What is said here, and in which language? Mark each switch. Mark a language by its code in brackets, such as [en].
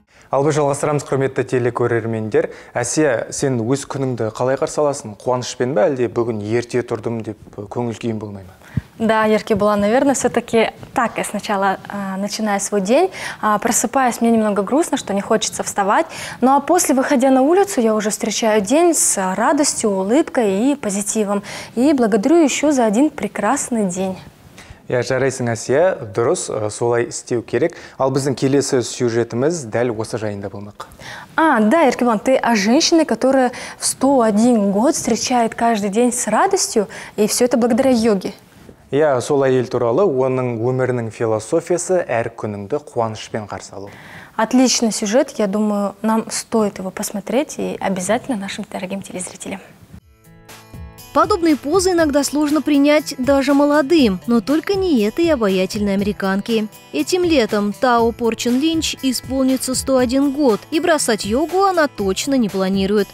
[kk] Ал біз жалғастырамыз, құрметті телекөрермендер. Әсия, сен өз күніңді қалай қарсы аласың? Қуанышпен бе, әлде бүгін ерте тұрдым деп көңіл күйім болмай ма? [ru] Да, ярко было, наверное, все-таки так я сначала начинаю свой день. Просыпаюсь, мне немного грустно, что не хочется вставать. Ну а после, выходя на улицу, я уже встречаю день с радостью, улыбкой и позитивом. И благодарю еще за один прекрасный день. [kk] Я жарайсың, Асия, дұрыс, солай істеу керек. Ал біздің келесі сюжетіміз дәл осы жайында болмақ. [ru] Да, Еркебан, ты о женщине, которая в 101 год встречает каждый день с радостью, и все это благодаря йоге. [kk] Я сол әйел туралы, оның өмірінің философиясы әр күніңді қуанышпен қарсы алу. [ru] Отличный сюжет, я думаю, нам стоит его посмотреть, и обязательно нашим дорогим телезрителям. Подобные позы иногда сложно принять даже молодым, но только не этой обаятельной американке. Этим летом Тао Порчен Линч исполнится 101 год, и бросать йогу она точно не планирует.